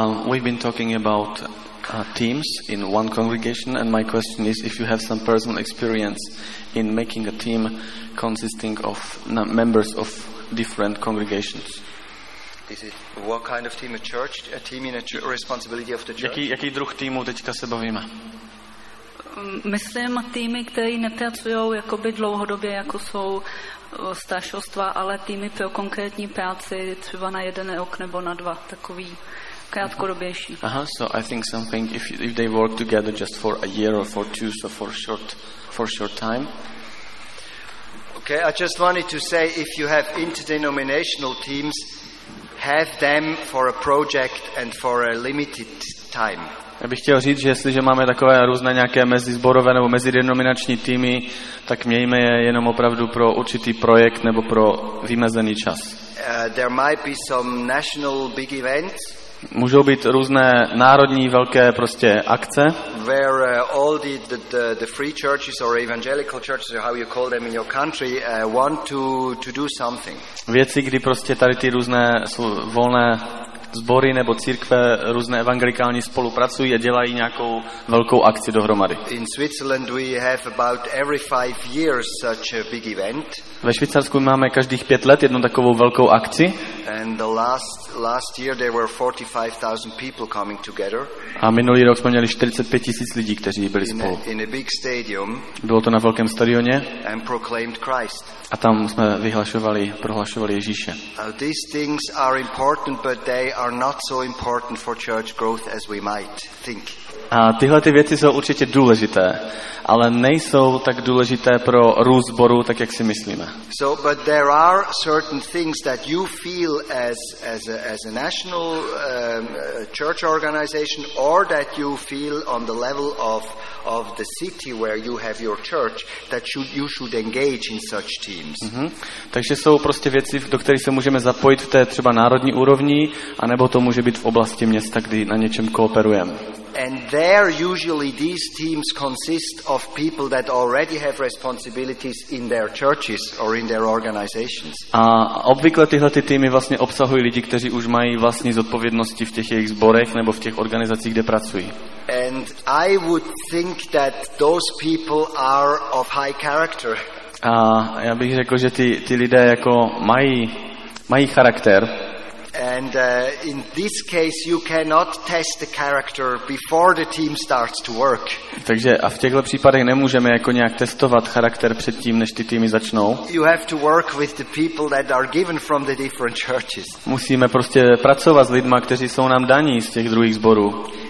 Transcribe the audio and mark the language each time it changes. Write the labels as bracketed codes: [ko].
[en] We've been talking about teams in one congregation and my question is if you have some personal experience in making a team consisting of members of different congregations. Is it what kind of team? A church? A team in a responsibility of the church? [cs] Jaký druh týmu teďka se bavíme? Myslím týmy, které nepracují jakoby dlouhodobě, jako jsou staršostva, ale týmy pro konkrétní práci, třeba na jeden rok nebo na dva, takový krátkodobější. [en] Aha, so I think something, if they work together just for a year or for two, so for short time. Okay, I just wanted to say, if you have interdenominational teams, have them for a project and for a limited time. [cs] Já bych chtěl říct, že jestliže máme takové různé nějaké mezizborové nebo mezidenominační týmy, tak mějme je jenom opravdu pro určitý projekt nebo pro vymezený čas. [en] There might be some national big events. [cs] Můžou být různé národní velké prostě akce. [en] Where all the free churches or evangelical churches, or how you call them in your country, want to do something. [cs] Věci, kdy prostě tady ty různé volné sbory nebo církve, různé evangelikální spolupracují a dělají nějakou velkou akci dohromady. [en] In Switzerland we have about every 5 years such a big event. [cs] Ve Švýcarsku máme každých 5 let jednu takovou velkou akci. [en] And the last year there were 45,000 people coming together. [cs] A minulý rok jsme měli 45,000 lidí, kteří byli spolu. [en] In a big stadium. [cs] Bylo to na velkém stadioně. [en] And proclaimed Christ. [cs] A tam jsme prohlašovali Ježíše. [en] These things are important, but they are not so important for church growth as we might think. [cs] A tyhle ty věci jsou určitě důležité, ale nejsou tak důležité pro růst sboru, tak jak si myslíme. [en] So, but there are certain things that you feel as a national church organization, or that you feel on the level of the city where you have your church, that you should engage in such teams. Mm-hmm. [cs] Takže jsou prostě věci, do kterých se můžeme zapojit v té třeba národní úrovni, a nebo to může být v oblasti města, kdy na něčem kooperujeme. [en] And there usually these teams consist of people that already have responsibilities in their churches or in their organizations. [cs] A obvykle tyhle ty týmy vlastně obsahují lidi, kteří už mají vlastní zodpovědnosti v těch jejich sborech nebo v těch organizacích, kde pracují. [en] And I would think that those people are of high character. [cs] A já bych řekl, že ty lidé jako mají charakter. [en] And in this case you cannot test the character before the team starts to work. [cs] Takže a v těchto případech nemůžeme jako nějak testovat charakter předtím, než ty týmy začnou. [en] You have to work with the people that are given from the different churches. [cs] Musíme prostě pracovat s lidma, kteří jsou nám daní z těch druhých sborů.